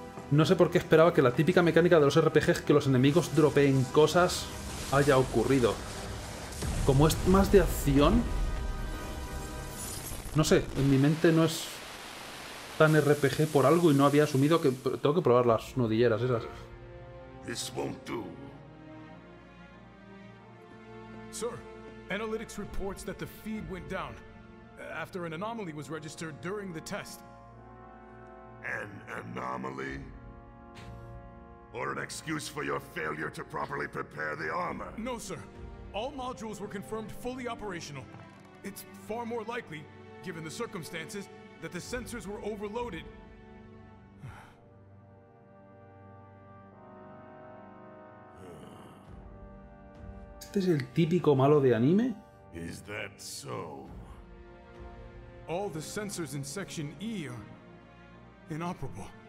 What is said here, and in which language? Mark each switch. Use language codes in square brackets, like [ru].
[es] No sé por qué esperaba que la típica mecánica de los RPGs, que los enemigos dropeen cosas, haya ocurrido. Como es más de acción... No sé, en mi mente no es tan RPG por algo y no había asumido que... Tengo que probar las nudilleras esas. [en] This won't do. Sir, analytics reports that the feed went down after an anomaly was registered during the test. An anomaly? Or an excuse for your failure to properly prepare the armor? No, sir. All modules were confirmed fully operational. It's far more likely, given the circumstances, that the sensors were overloaded. [es] ¿Este es el típico malo de anime? [en] Is that so? All the sensors in Section E are inoperable.